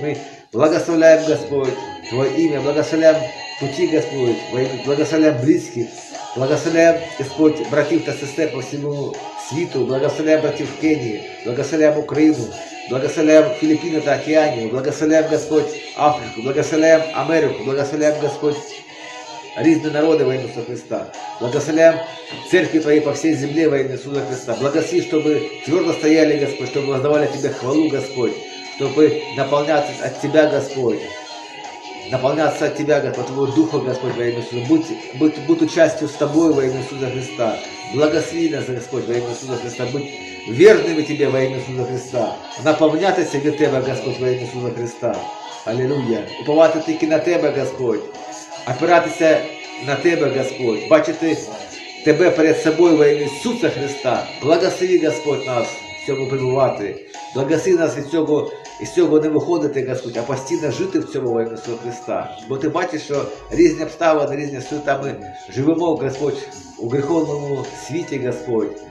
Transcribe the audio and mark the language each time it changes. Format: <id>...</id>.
<ru>Мы благословляем, Господь, Твое имя, благословляем пути, Господь, благословляем близких, благословляем, Господь, братьев Кассестер по всему свету, благословляем братьев в Кении, благословляем Украину, благословляем Филиппины и Океанию, благословляем, Господь, Африку, благословляем Америку, благословляем, Господь,</ru> <uk>різні народи во ім'я Ісуса Христа.</uk> <ru>Благословляем церкви Твої по всей земле</ru> <uk>во ім'я Ісуса Христа.</uk> <ru>Благослови, чтобы твердо стояли, Господь, чтобы воздавали Тебе хвалу, Господь, чтобы наполняться от Тебя, Господь. Наполняться от Тебя, Господь, Твоего Духа, Господь, во имя Иисуса. Будь участью с Тобой во имя Иисуса Христа. Благослови нас, Господь, во имя Иисуса Христа. Будь верными Тебе во имя Иисуса Христа. Наполняться для Тебя, Господь, во имя Иисуса Христа. Аллилуйя. Уповать только на Тебя, Господь.</ru> <uk>Опиратися на Тебе, Господь, бачити Тебе перед собою во ім'я Ісуса Христа. Благослови, Господь, нас в цьому перебувати. Благослови нас из цього не виходити, Господь, а постійно жити в цьому воїні Ісуса Христа. Бо ти бачиш, що різні обставини, різні ситуації, живемо, Господь, у греховному світі, Господь.</uk>